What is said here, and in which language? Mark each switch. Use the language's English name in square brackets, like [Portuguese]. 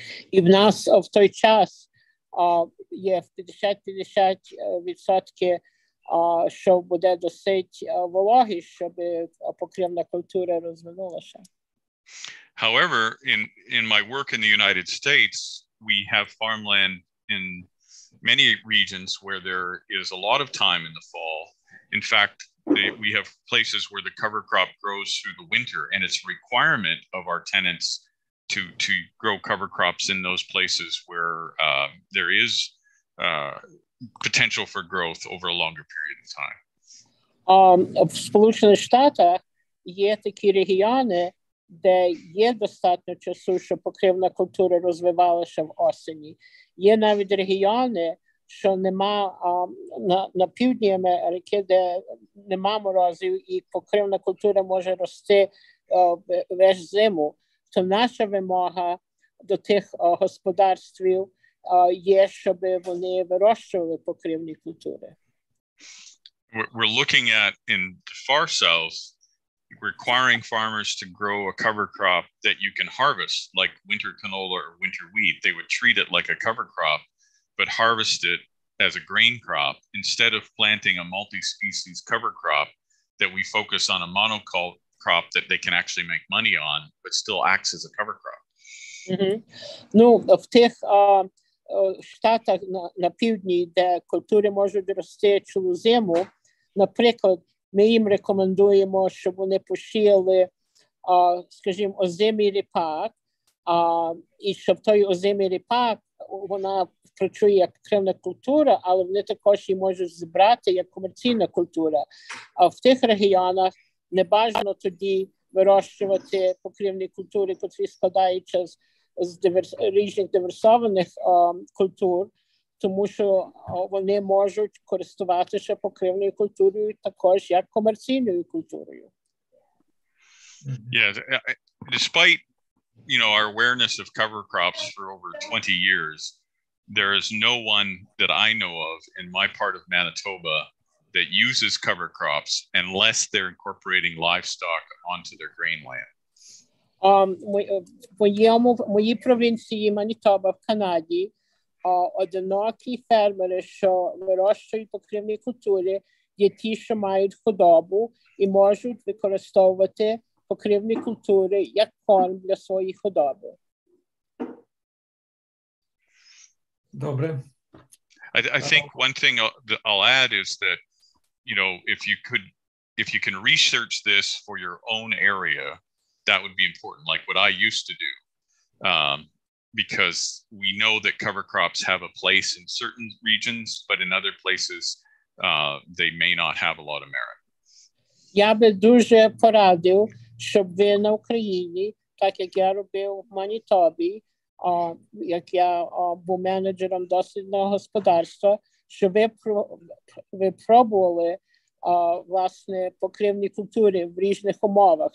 [Ukrainian] І в нас в той час є 50-50% що буде досить вологі, щоб покривна культура розвинулася. [English] However, in my work in the United States, we have farmland in many regions where there is a lot of time in the fall. In fact, we have places where the cover crop grows through the winter, and it's a requirement of our tenants to grow cover crops in those places where there is potential for growth over a longer period of time. [Ukrainian] В Сполучених Штатах є такі регіони, де є достатньо часу, щоб покривна культура розвивалася в осені. Є навіть регіони, що нема на півдні Америки, де нема морозів і покривна культура може рости весь зиму. То наша вимога до тих господарствів є, щоб вони вирощували покривні культури. [English] We're looking at in the far south requiring farmers to grow a cover crop that you can harvest, like winter canola or winter wheat. They would treat it like a cover crop, but harvest it as a grain crop instead of planting a multi-species cover crop that we focus on a monocrop that they can actually make money on, but still acts as a cover crop. Mm-hmm. [Ukrainian] No, of tech, штатах на півдні, де культури можуть рости через зиму, наприклад, ми їм рекомендуємо, щоб вони посіяли, скажімо, озимий ріпак, і щоб той озимий ріпак, вона працює як кривна культура, але вони також її можуть зібрати як комерційна культура. А в тих регіонах не бажано тоді вирощувати покривні культури, котрі складаються різних диверсованих культур, тому що вони можуть користуватися покривною культурою також як комерційною культурою. [English] Yeah, despite, you know, our awareness of cover crops for over 20 years, there is no one that I know of in my part of Manitoba that uses cover crops unless they're incorporating livestock onto their grain land. [Ukrainian] В моїй провінції Манітоба в Канаді одинокі фермери, що вирощують покривні культури, є ті, що мають худобу і можуть використовувати покривні культури як корм для своєї худоби. Добре. [English] I think one thing I'll add is that, you know, if you can research this for your own area, that would be important, like what I used to do, because we know that cover crops have a place in certain regions, but in other places, they may not have a lot of merit. [Ukrainian] Я би дуже порадив, щоб ви на Україні, так як я робив в Манітобі, як я був менеджером дослідного господарства, щоб ви пробували власне покривні культури в різних умовах.